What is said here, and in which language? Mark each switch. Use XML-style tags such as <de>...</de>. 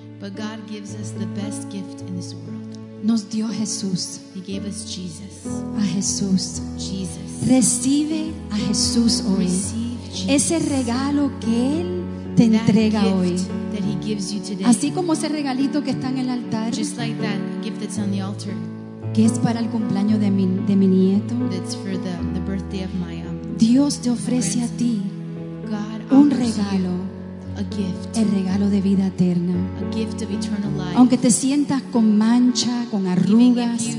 <en>But God gives us the best gift in this world.</en> <es>Nos dio Jesús.</es> <en>He gave us Jesus.</en> <es>A Jesús.</es> <en>Jesus.</en> <es>Recibe a Jesús hoy.</es> <en>Receive Jesus.</en> <es>Ese regalo que él te entrega hoy.</es> <en>That he gives you today.</en> <es>Así como ese regalito que está en el altar.</es> <en>Just like that gift that's on the altar.</en> <es>Que es para el cumpleaños de mi nieto.</es> <en>That's for the birthday of my</en> <es>Dios te ofrece a ti.</es> <en>God</en> <es>un regalo,</es> <en>a gift,</en> <es>el regalo de vida eterna,</es> <en>a gift of eternal life.</en> <es>Aunque te sientas con mancha, con arrugas,</es>